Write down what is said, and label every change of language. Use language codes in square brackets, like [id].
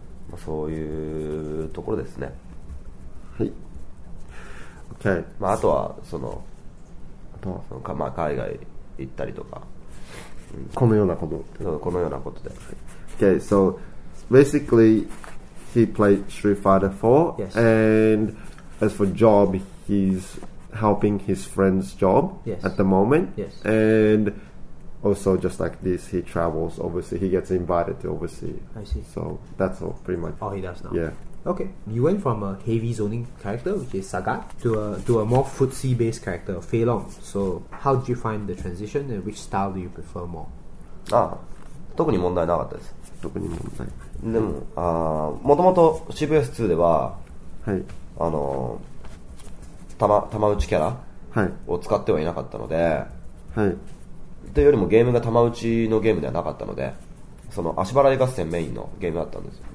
[ja] まあ、そういうところですね。はい。Okay. まああとはそのそのかまあ、海外行ったりとか、うん、このようなことそうこのようなことで [en] Okay, so basically he played Street Fighter 4、 yes. and as for job he's helping his friend's job、 yes. at the moment、 yes. and also just like this he travels overseas he gets invited to overseas I see so that's all pretty much oh he does now yeah okay you went from a heavy zoning character which is Sagat to a more footsie based character Fei Long so how did you find the transition and which style do you prefer more [ja] ああ特に問題なかったです特に問題でもああもともと CBS2 でははいあの玉打ちキャラを使ってはいなかったのではいというよりもゲームが玉打ちのゲームではなかったのでその足払い合戦メインのゲームだったんです